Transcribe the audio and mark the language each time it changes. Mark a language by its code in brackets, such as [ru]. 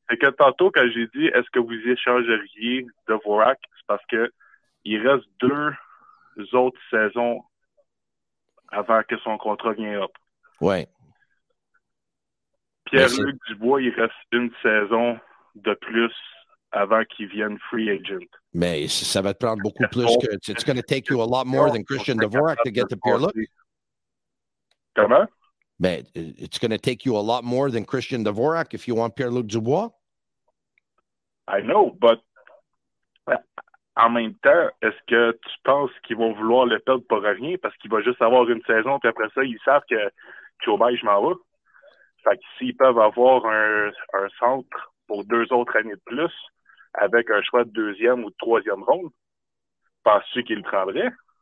[fr] C'est que tantôt, quand j'ai dit est-ce que vous échangeriez de Vorak, c'est parce que il reste deux autres saisons avant que son contrat vienne up. Oui. Pierre-Luc Dubois, il reste une saison de plus avant qu'il vienne free agent. Mais ça va te prendre beaucoup plus que... [en] It's going to take you a lot more than Christian Dvorak to get to Pierre-Luc. [fr] Comment? Mais [en] it's going to take you a lot more than Christian Dvorak if you want Pierre-Luc Dubois. I know, but... [fr] En même temps, est-ce que tu penses qu'ils vont vouloir le perdre pour rien parce qu'il va juste avoir une saison, puis après ça, ils savent que Chobay, je m'en vais. Fait que s'ils peuvent avoir un centre pour deux autres années de plus avec un choix de deuxième ou de troisième ronde, penses-tu qu'ils le prendraient?